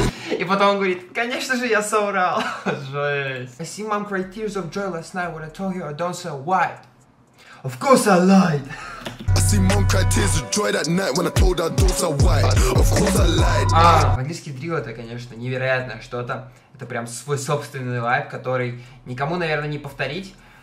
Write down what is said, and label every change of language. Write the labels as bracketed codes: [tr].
[ru] И потом он говорит, конечно же, я соврал. Жесть. [en] I see mom cry tears of joy last night when I told her I don't sell white. Of course I lied. [ru] В английский дрил — это, конечно, невероятное что-то. Это прям свой собственный вайб, который никому, наверное, не повторить.